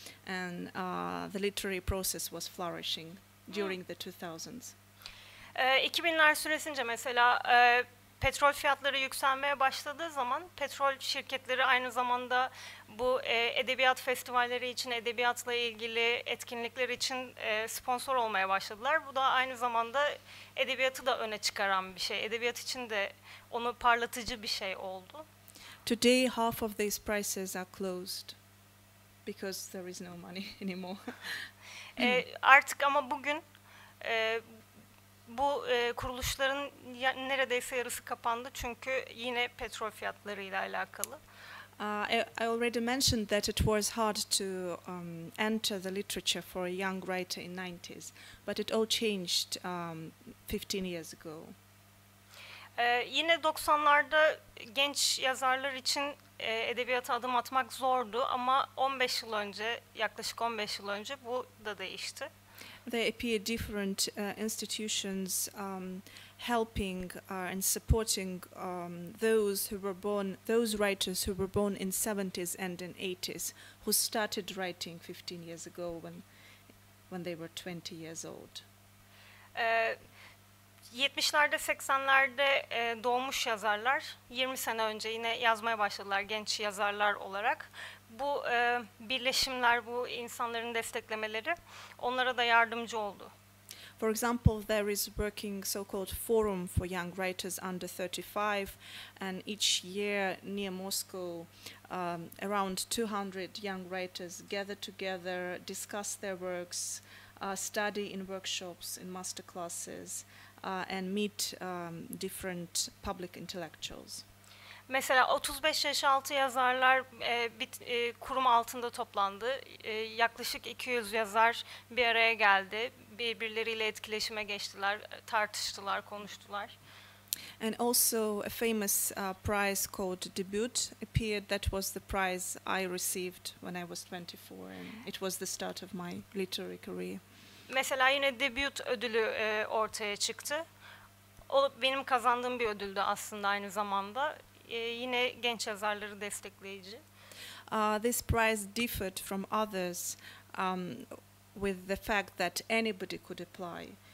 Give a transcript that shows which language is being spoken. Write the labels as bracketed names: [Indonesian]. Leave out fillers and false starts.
[English] And the literary process was flourishing during the 2000s. [Turkish] 2000'ler süresince mesela petrol fiyatları yükselmeye başladığı zaman petrol şirketleri aynı zamanda bu edebiyat festivalleri için, edebiyatla ilgili etkinlikler için sponsor olmaya başladılar. Bu da aynı zamanda edebiyatı da öne çıkaran bir şey. Edebiyat için de onu parlatıcı bir şey oldu. [English] Today half of these prices are closed because there is no money anymore. [Turkish] Artık ama bugün bu kuruluşların neredeyse yarısı kapandı çünkü yine petrol fiyatlarıyla alakalı. [English] I already mentioned that it was hard to enter the literature for a young writer in 90s, but it all changed 15 years ago. [Turkish] Yine 90'larda genç yazarlar için edebiyata adım atmak zordu ama 15 yıl önce, yaklaşık 15 yıl önce bu da değişti. [English] There appeared different institutions helping and supporting those writers who were born in 70s and in 80s, who started writing 15 years ago when they were 20 years old. [Turkish] 70'lerde, 80'lerde doğmuş yazarlar 20 sene önce yine yazmaya başladılar genç yazarlar olarak. Bu birleşimler, bu insanların desteklemeleri onlara da yardımcı oldu. [English] For example, there is working so-called forum for young writers under 35, and each year near Moscow, around 200 young writers gather together, discuss their works, study in workshops, in master classes, and meet different public intellectuals. [Turkish] Mesela 35 yaş altı yazarlar kurum altında toplandı. Yaklaşık 200 yazar bir araya geldi. Birbirleriyle etkileşime geçtiler, tartıştılar, konuştular. [English] And also a famous prize called Debut appeared. That was the prize I received when I was 24, and it was the start of my literary career. [Turkish] Mesela yine Debut ödülü ortaya çıktı. O benim kazandığım bir ödüldü aslında aynı zamanda. Yine genç yazarları destekleyici. [English] This prize differed from others with the fact that anybody could apply.